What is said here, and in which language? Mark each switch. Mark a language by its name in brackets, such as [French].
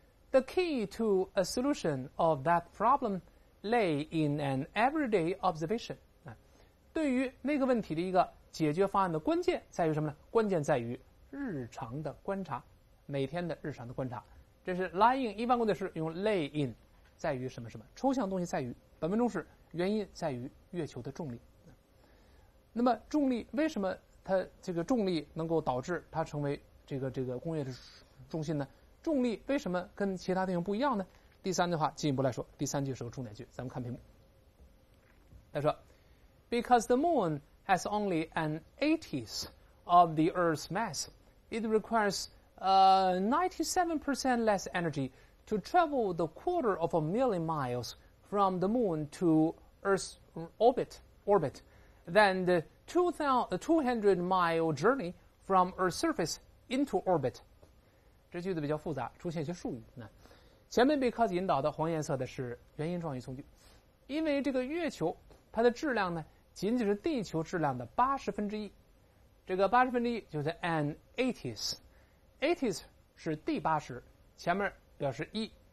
[English] The key to a solution of that problem lay in an everyday observation。 [Chinese] 对于那个问题的一个解决方案的关键在于什么呢？关键在于日常的观察，每天的日常的观察。这是 lie in， 一般工作是用 lay in， 在于什么什么，抽象东西在于，本文中是原因在于月球的重力。那么重力为什么它这个重力能够导致它成为这个工业的中心呢？重力为什么跟其他地方不一样呢？第三句话进一步来说，第三句是个重点句，咱们看屏幕。他说 [English] Because the moon has only an 1/80 of the Earth's mass, it requires 97% less energy to travel the 250,000 miles from the moon to Earth's orbit than the 200-mile journey from Earth's surface into orbit. [Chinese] 这句子比较复杂，出现一些术语。那前面 because 引导的黄颜色的是原因状语从句，因为这个月球它的质量呢？仅仅是地球质量的1/80，这个1/80就是 an 1/80 是第八十，前面表示一。